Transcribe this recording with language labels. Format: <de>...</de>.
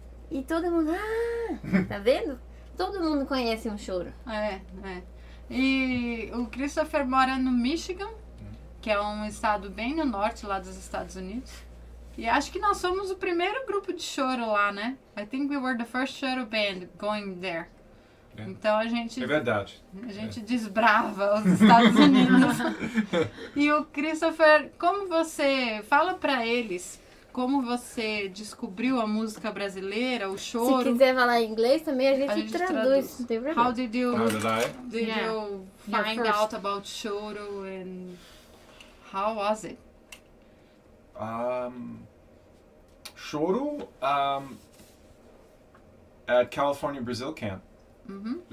<pt>E todo mundo, tá vendo? Todo mundo conhece um choro. E o Christopher mora no Michigan, que é um estado bem no norte lá dos Estados Unidos. E acho que nós somos o primeiro grupo de choro lá, né?</pt> <en>I think we were the first choro band going there.</en> <pt>É. Então a gente... É verdade. A gente desbrava os Estados Unidos. E o Christopher, como você... Fala pra eles como você descobriu a música brasileira, o choro. Se quiser falar em inglês também, a gente traduz. Não tem problema.</pt> <en>How did you find out about choro and how was it? Choro at California Brazil Camp. Mm-hmm.</en>